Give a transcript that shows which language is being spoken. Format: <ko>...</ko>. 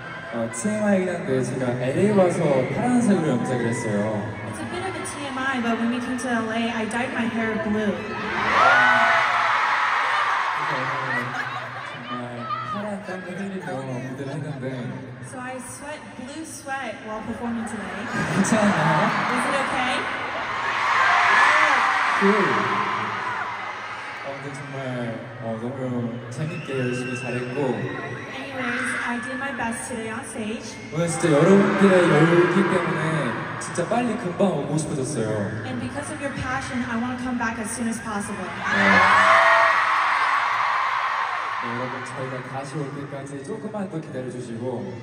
<ko>약간 TMI긴 한데 제가 LA 와서 파란색으로 염색을 했어요.</ko> <en>It's a bit of a TMI, but when we came to LA, I dyed my hair blue.</en> <ko>정말 파란 땀 흘리며 무대를 했는데.</ko> <en>So I sweat blue sweat while performing today.</en> <ko>괜찮아요?</ko> <en>Is it okay? Cool.</en> <ko>근데 정말 너무 재밌게 열심히 잘했고.</ko> <en>Anyways, I did my best today on stage.</en> <ko>오늘 진짜 여러분들의 열기 때문에 진짜 빨리 금방 오고 싶어졌어요.</ko> <en>And because of your passion, I want to come back as soon as possible.</en> <ko>네, 여러분 저희가 다시 올 때까지 조금만 더 기다려주시고.</ko>